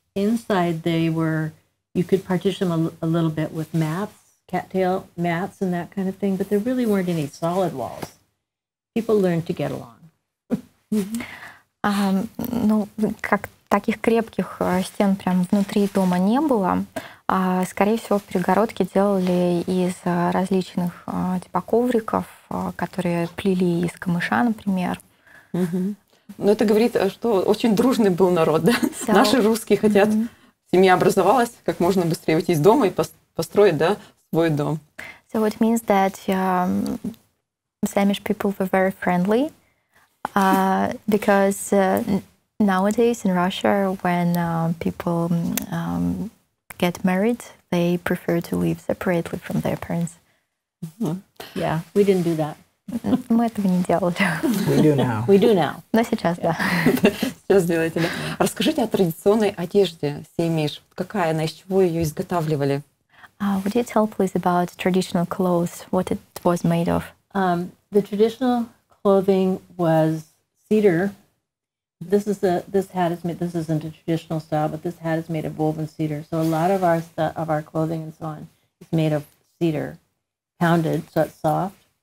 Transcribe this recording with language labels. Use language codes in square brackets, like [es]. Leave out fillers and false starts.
[en] Inside, they were, you could partition a little bit with mats, cattail mats and that kind of thing, but there really weren't any solid walls. People learn to get along. [ru] Ну, как таких крепких стен прямо внутри дома не было. Скорее всего, перегородки делали из различных типа ковриков, которые плели из камыша, например. Ну, это говорит, что очень дружный был народ, да? So, наши русские хотят, семья образовалась, как можно быстрее выйти из дома и построить, да, свой дом. [en] So it means that Samish people were very friendly because nowadays in Russia, when people get married, they prefer to live separately from their parents. Yeah, we didn't do that. [ru] Мы этого не делали. [en] We do now. We do now. [ru] Но сейчас, yeah. Да. Сейчас делаете, да. Расскажите о традиционной одежде Семиш. Какая она, из чего ее изготавливали? [en] Would you tell, please, about traditional clothes, what it was made of? The traditional clothing was cedar. This is this isn't a traditional style, but this hat is made of woven cedar. So a lot of our clothing and so on is made of cedar, pounded, so it's soft.